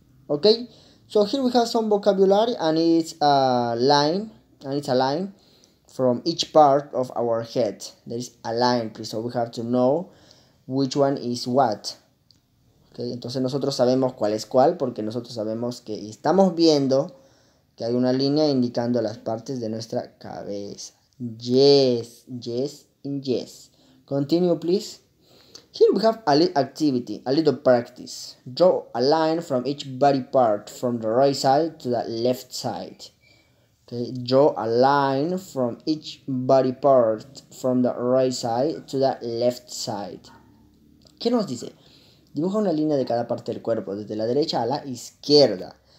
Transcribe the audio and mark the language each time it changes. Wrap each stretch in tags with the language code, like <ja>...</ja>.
<en>Okay, so here we have some vocabulary and it's a line, and it's a line from each part of our head. There is a line, please, so we have to know which one is what.</en> <es>Okay, entonces nosotros sabemos cuál es cuál porque nosotros sabemos que estamos viendo que hay una línea indicando las partes de nuestra cabeza.</es> <en>Yes, yes, and yes. Continue, please. Here we have a little activity, a little practice. Draw a line from each body part, from the right side to the left side. Okay, draw a line from each body part, from the right side to the left side.</en> <es>¿Qué nos dice? Dibuja una línea de cada parte del cuerpo, desde la derecha a la izquierda.</es>